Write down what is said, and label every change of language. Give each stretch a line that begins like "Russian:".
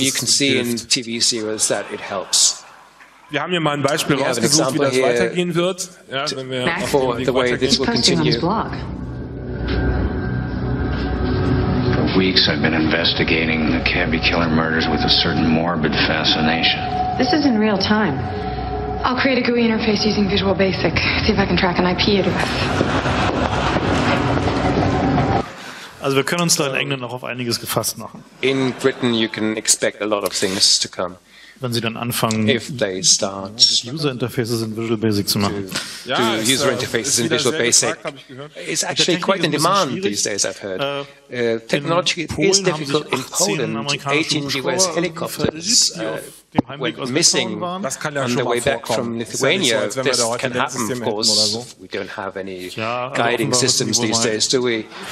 English: you can see in TV series that it helps.
German: Wir haben hier mal ein Beispiel rausgesucht, wie das weitergehen wird. Ja, wenn wir
English: back for the way this will continue. For weeks I've been investigating the cabbie killer murders with a certain morbid fascination. This is in real time. I'll create a GUI interface using Visual Basic. See if I can track an IP address.
German: Also wir können uns da in England noch auf einiges gefasst machen.
English: In Britain you can expect a lot of things to come.
German: Wenn sie dann anfangen, User Interfaces in Visual Basic zu machen.
English: Do User Interfaces in Visual Basic. It's actually quite in demand these days, I've heard. Technology is difficult in Poland. 18 US helicopters went missing on the way back from Lithuania. This can happen, of course. We don't have any guiding systems these days, do we?